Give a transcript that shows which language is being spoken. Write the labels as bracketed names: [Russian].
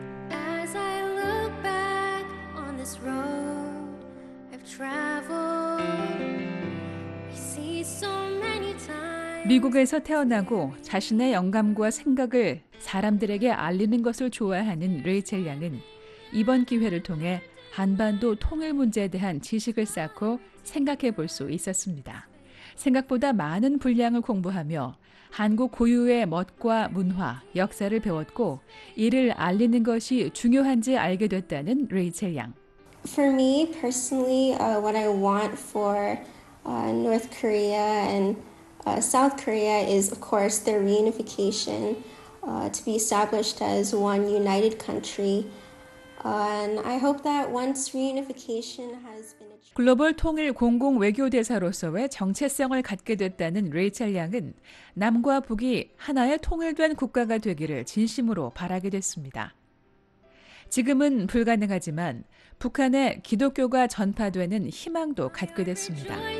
[English] As I look back on this road I've traveled I see so many times [Korean] 미국에서 태어나고 자신의 영감과 생각을 사람들에게 알리는 것을 좋아하는 레이첼 양은 이번 기회를 통해 한반도 통일 문제에 대한 지식을 쌓고 생각해 볼 수 있었습니다. 생각보다 많은 분량을 공부하며 한국 고유의 멋과 문화, 역사를 배웠고 이를 알리는 것이 중요한지 알게 됐다는 레이첼 양. [English] For me personally, what I want for North Korea and South Korea is of course their reunification to be established as one united country. And I hope that once reunification has been achieved. [Korean] 글로벌 통일 공공 외교대사로서의 정체성을 갖게 됐다는 레이첼 양은 남과 북이 하나의 통일된 국가가 되기를 진심으로 바라게 됐습니다. 지금은 불가능하지만 북한의 기독교가 전파되는 희망도 갖게 됐습니다.